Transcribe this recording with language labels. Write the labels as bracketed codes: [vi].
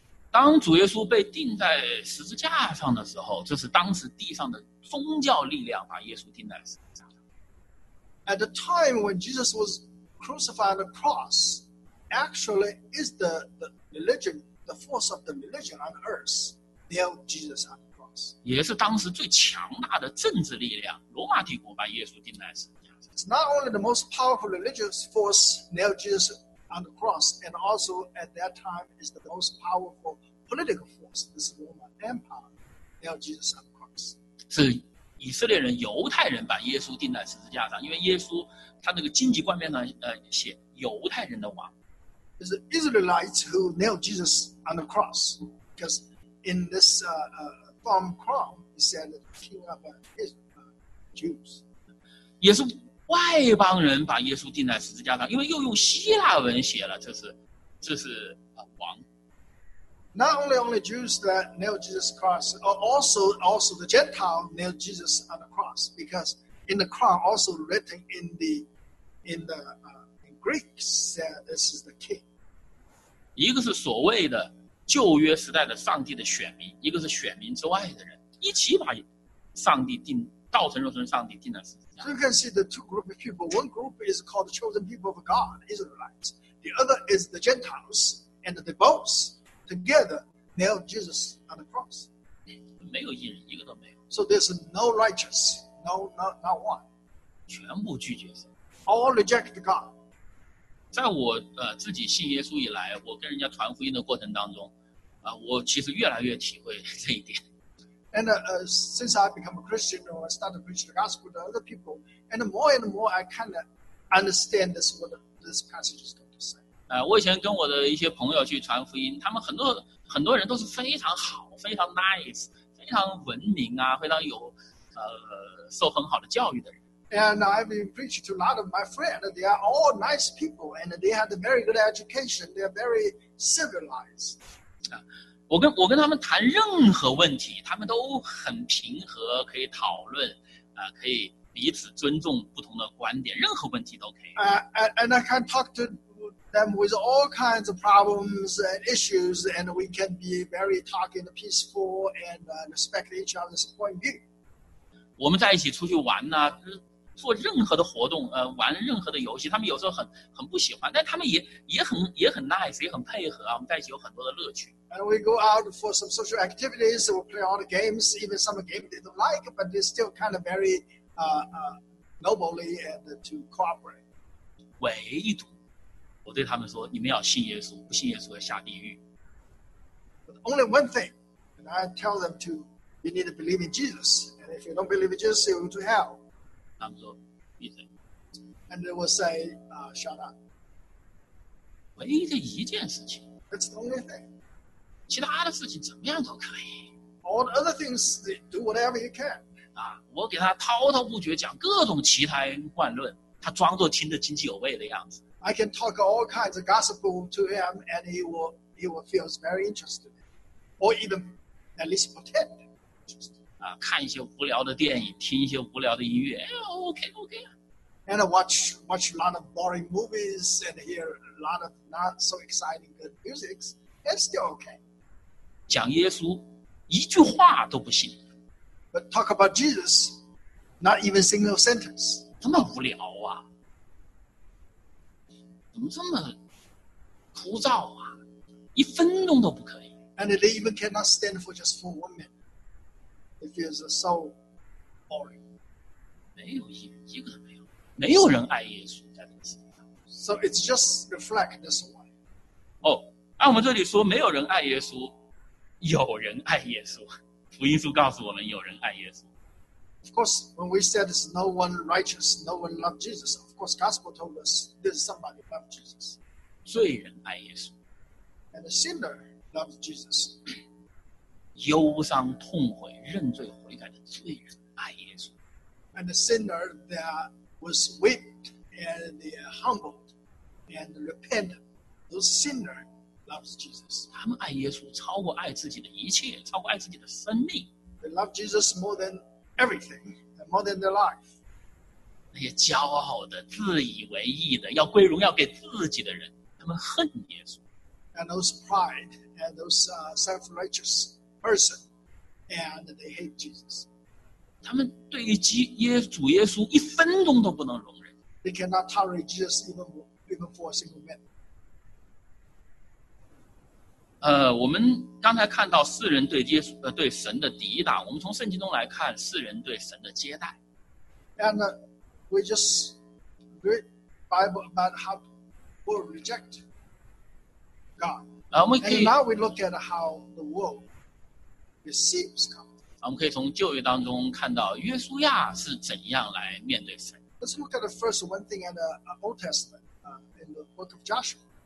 [zh] 当主耶稣被钉在十字架上的时候，这是当时地上的宗教力量把耶稣钉在十字架。 [en] At the time when Jesus was crucified on the cross, actually is the religion, the force of the religion on earth, nailed Jesus on the cross. [zh] 也是当时最强大的政治力量，罗马帝国把耶稣钉在十字架上。 [en] It's not only the most powerful religious force nailed Jesus on the cross, and also at that time is the most powerful political force, this Roman Empire, nailed Jesus on the cross. [zh] 是以色列人、犹太人把耶稣钉在十字架上，因为耶稣他那个荆棘冠冕上写犹太人的王。 [en] It's the Israelites who nailed Jesus on the cross, because in this form crown, he said, "King of Jews." [zh] 也是外邦人把耶稣钉在十字架上，因为又用希腊文写了，这是王。 [en] Not only Jews that nailed Jesus cross, also the Gentile nailed Jesus on the cross, because in the crown also written in the in Greek said this is the king. [zh] 一个是所谓的旧约时代的上帝的选民，一个是选民之外的人，一起把上帝定道成肉身，上帝定了十字架。 [en] So you can see the two groups of people. One group is called the chosen people of God, Israelites. The other is the Gentiles, and they both together nailed Jesus on the cross. [zh] 没有一人，一个都没有。 [en] So there's no righteous, not one. [zh] 全部拒绝神。 [en] All reject God. [zh] 在我自己信耶稣以来，我跟人家传福音的过程当中，我其实越来越体会这一点。 [en] And since I become a Christian, or I started to preach the gospel to other people, and more I kind of understand this, what this passage is going to say. [zh] 我以前跟我的一些朋友去传福音，他们很多人都是非常好，非常 [en] nice, [zh] 非常文明啊，非常有受很好的教育的人。 [en] And I've been preaching to a lot of my friends. They are all nice people, and they have a very good education. They are very civilized. [zh] 我跟他们谈任何问题，他们都很平和，可以讨论，可以彼此尊重不同的观点，任何问题都可以。 [en] And I can talk to them with all kinds of problems and issues, and we can be very talking peaceful and respect each other's point of view. [zh] 我们在一起出去玩呢、啊。做任何的活动，玩任何的游戏，他们有时候很不喜欢，但他们也很 [en] nice, [zh] 也很配合啊。我们在一起有很多的乐趣。 [en] And we go out for some social activities, we play all the games, even some games they don't like, but they're still kind of very nobly and to cooperate. [zh] 唯独，我对他们说，你们要信耶稣，不信耶稣要下地狱。 [en] But only one thing, and I tell them to, you need to believe in Jesus, and if you don't believe in Jesus, you go to hell. [zh] 他们说闭嘴 [en] and they will say, shut up. [zh] 唯一的一件事情 [en] that's the only thing. [zh] 其他的事情怎么样都可以 [en] all the other things, do whatever you can. [zh] 我给他滔滔不绝讲各种奇谈怪论，他装作听得津津有味的样子。 [en] I can talk all kinds of gossip to him, and he will feel very interested, or even at least pretend interested. [zh] 看一些无聊的电影，听一些无聊的音乐，OK。 [en] And I watch a lot of boring movies and hear a lot of not so exciting good music, and still okay. [zh] 讲耶稣一句话都不信。 [en] But talk about Jesus, not even single sentence. [zh] 这么无聊啊！怎么这么枯燥啊！一分钟都不可以。 [en] And they even cannot stand for just for 1 minute. It feels so boring. [zh] 没有一个都没有，没有人爱耶稣在这个世界上。 [en] So it's just reflect this one. [zh] 按我们这里说，没有人爱耶稣，有人爱耶稣。福音书告诉我们，有人爱耶稣。 [en] Of course, when we said there's no one righteous, no one loved Jesus, of course, gospel told us there's somebody loved Jesus. [zh] 罪人爱耶稣。 [en] And the sinner loves Jesus. [zh] 忧伤痛悔认罪悔改的罪人爱耶稣。 [en] And the sinner that was whipped and humbled and repented, those sinner loves Jesus. [zh] 他们爱耶稣超过爱自己的一切，超过爱自己的生命。 [en] They love Jesus more than everything, more than their life. [zh] 那些骄傲的、自以为意的、要归荣耀给自己的人，他们恨耶稣。 [en] And those pride and those self-righteous. Person, and they hate Jesus. [zh] 他们对于主耶稣一分钟都不能容忍。 [en] They cannot tolerate Jesus even for a single minute. [zh] 我们刚才看到世人对耶稣对神的抵挡。我们从圣经中来看世人对神的接待。 [en] And we just read Bible about how people reject God. And now we look at how the world. [zh] 我们可以从旧约当中看到约书亚是怎样来面对神。 [en] Let's look at the first one thing in the Old Testament, in the book of Joshua.